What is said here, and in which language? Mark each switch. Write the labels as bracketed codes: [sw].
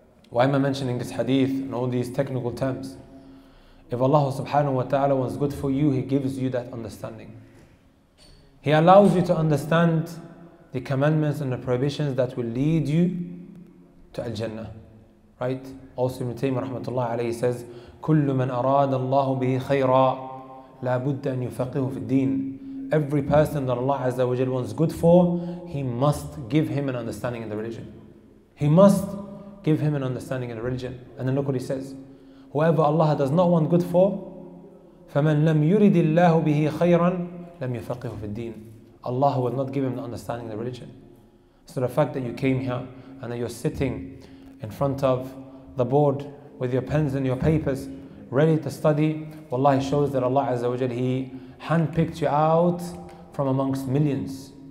[en] Why am I mentioning this hadith and all these technical terms? If Allah subhanahu wa ta'ala wants good for you, He gives you that understanding. He allows you to understand the commandments and the prohibitions that will lead you to Al-Jannah, right? Also Ibn Taymiyyah rahmatullah alayhi says, [ar] كُلُّ مَنْ أَرَادَ اللَّهُ بِهِ خَيْرًا لَا بُدَّ أَنْ يُفَقِّهُ فِي الدِّينِ. [en] Every person that Allah Azza wa Jal wants good for, He must give him an understanding in the religion. He must give him an understanding in the religion. And then look what he says. Whoever Allah does not want good for, [ar] فَمَنْ لَمْ يُرِدِ اللَّهُ بِهِ خَيْرًا لَمْ يُفَقِّهُ فِي الدِّينِ. [en] Allah will not give him the understanding of the religion. So the fact that you came here and that you're sitting in front of the board with your pens and your papers ready to study, wallahi shows that Allah Azza wa Jal, He handpicked you out from amongst millions.